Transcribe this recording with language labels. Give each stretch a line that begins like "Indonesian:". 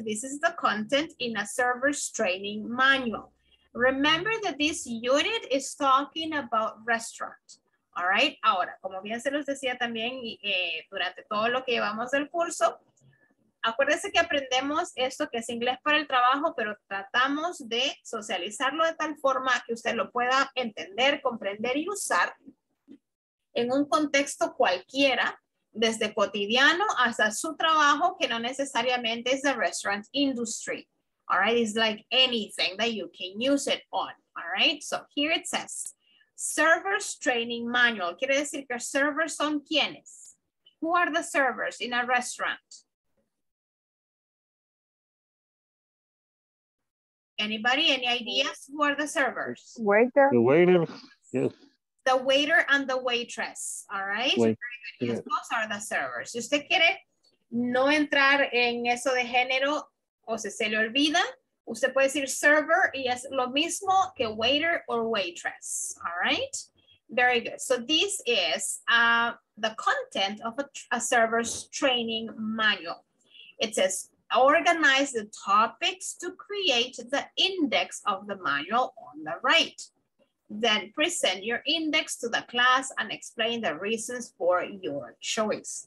English: This is the content in a server's training manual. Remember that this unit is talking about restaurant. All right,
Spanish: ahora, como bien se los decía también durante todo lo que llevamos del curso, acuérdense que aprendemos esto que es inglés para el trabajo, pero tratamos de socializarlo de tal forma que usted lo pueda entender, comprender y usar en un contexto cualquiera, desde cotidiano hasta su trabajo, que no necesariamente es the restaurant industry.
English: All right, it's like anything that you can use it on. All right, so here it says, servers training manual.
Spanish: Quiere decir que servers son quienes.
English: Who are the servers in a restaurant? Anybody, any ideas who are the servers? Waiter. The waiter, yes. The waiter and the waitress, all right? Waiter. Very good. Yes. Those are the servers.
Spanish: Si usted quiere no entrar en eso de género o se le olvida, usted puede decir server y es lo mismo que waiter or waitress,
English: all right? Very good. So this is the content of a server's training manual. It says, organize the topics to create the index of the manual on the right. Then present your index to the class and explain the reasons for your choice.